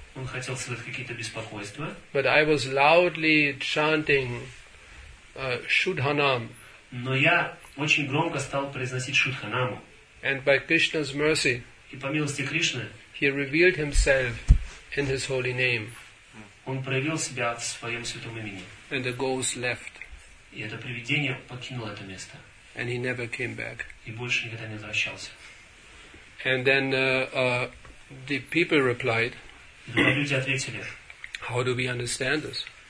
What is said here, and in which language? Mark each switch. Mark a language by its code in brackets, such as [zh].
[ru] Он хотел создать какие-то беспокойства. [en] But I was loudly chanting Shudhanam. [ru] Но я очень громко стал произносить Шудханаму. [en] And by Krishna's mercy, [ru] и по милости Кришны, [en] he revealed himself in his holy name. [ru] Он проявил себя в своем святом имени. [en] And the ghost left. [ru] И это привидение покинуло это место. [en] And he never came back. [ru] И больше никогда не возвращался. [en] And then the people replied, how do we understand this?